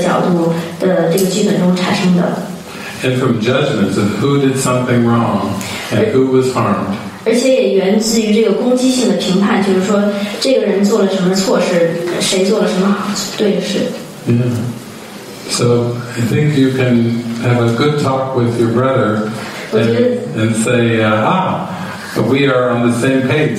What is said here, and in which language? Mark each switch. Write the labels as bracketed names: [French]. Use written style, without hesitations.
[Chinese] 因为所有的痛苦和纠结也都是从线性时间的角度的这个剧本中产生的。 [English] And from judgments of who did something wrong and who was harmed. [Chinese] 而且也源自于这个攻击性的评判，就是说这个人做了什么错事，谁做了什么对的事。 [English] Yeah. So I think you can have a good talk with your brother and say, but we are on the same page.